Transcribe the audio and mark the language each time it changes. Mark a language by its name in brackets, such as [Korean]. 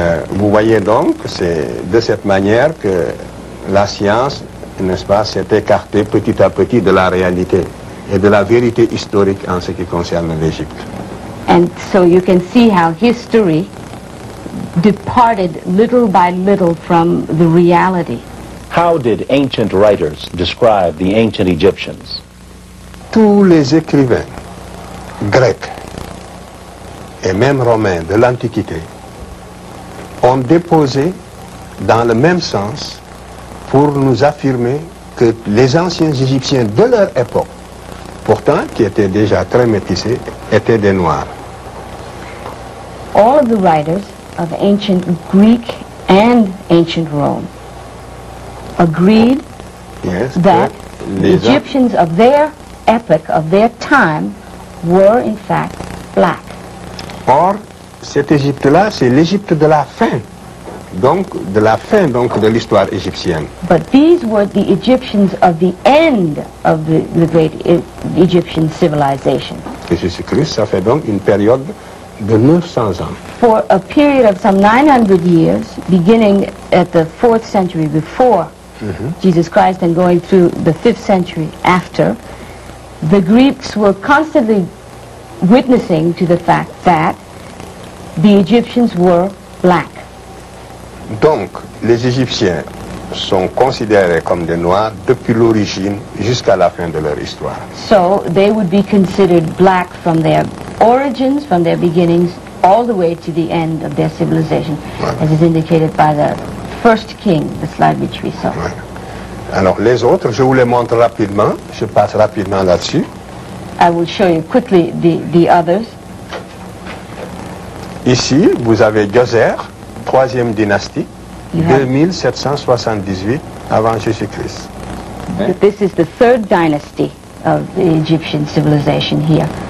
[French] Vous voyez donc, c'est de cette manière que la science, n'est-ce pas, s'est écartée petit à petit de la réalité et de la vérité historique en ce qui concerne l'Égypte. [English] And so you can see how history departed little by little from the reality. How did ancient writers describe the ancient Egyptians? [French] Tous les écrivains grecs et même romains de l'Antiquité ont déposé dans le même sens pour nous affirmer que les anciens Égyptiens de leur époque, pourtant qui étaient déjà très métissés, étaient des Noirs. [English] All of the writers of ancient Greek and ancient Rome agreed yes, that the Egyptians of their epoch, of their time, were in fact black. [French] Or, cette Égypte-là, c'est l'Égypte de la fin, donc de l'histoire égyptienne. [English] But these were the Egyptians of the end of the great Egyptian civilization. [French] Jésus-Christ, ça fait donc une période de 900 ans. [English] For a period of some 900 years, beginning at the 4th century before Jesus Christ and going through the 5th century after, the Greeks were constantly witnessing to the fact that the Egyptians were black. [French] Donc, les Égyptiens sont considérés comme des Noirs depuis l'origine jusqu'à la fin de leur histoire. [English] So, they would be considered black from their origins, from their beginnings, all the way to the end of their civilization, as is indicated by the first king, the slide which we saw. [French] Voilà. Alors, les autres, je vous les montre rapidement, je passe rapidement là-dessus. [English] I will show you quickly the others. [French] Ici, vous avez Djoser, troisième dynastie, 2778 avant Jésus-Christ. [English] This is the third dynasty of the Egyptian civilization here.